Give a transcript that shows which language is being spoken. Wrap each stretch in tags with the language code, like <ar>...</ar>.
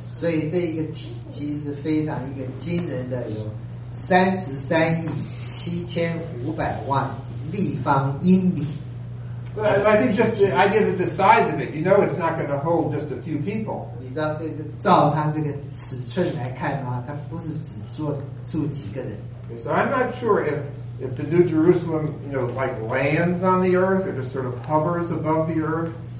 <zh>所以这一个体积是非常一个惊人的，有33亿7500万立方英里。</zh> <en>I think just the idea that the size of it, you know, it's not going to hold just a few people.</en> <zh>你知道这个照它这个尺寸来看的话，它不是只做住几个人。</zh> <en>Okay, so I'm not sure if the New Jerusalem, you know, like lands on the earth or just sort of hovers above the earth.</en>